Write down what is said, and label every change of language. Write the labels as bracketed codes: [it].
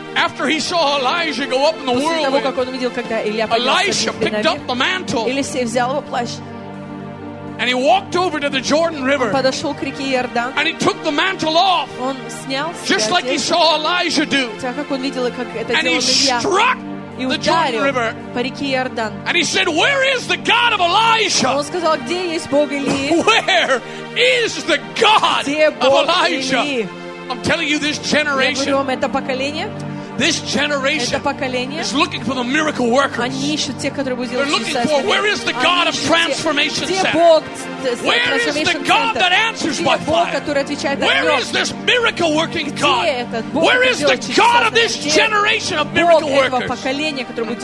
[en] After he saw Elijah go up in the world, [ru] после того как он увидел, когда Илия поднялся на Елисей взял его плащ. Елисей взял его плащ. [en] And he walked over to the Jordan River. [ru] Он подошел к реке Иордан. [en] And he took the mantle off. [ru] Он снял с себя. [en] Just like he saw Elijah do. [ru] Так как он видел, как это делал [en] Илия. And he struck. [ru] И ударил по реке Иордан. [en] And he said, "Where is the God of Elijah?" [ru] Он сказал, где есть Бог Илии? [en] Where is the God of Elijah? I'm telling you, this generation. [ru] Я говорю вам, это поколение. [en] This generation is looking for the miracle workers. They're looking for where is the God of transformation center? Where is the God that answers by fire? Where is this miracle working God? Where is the God of this generation of miracle workers?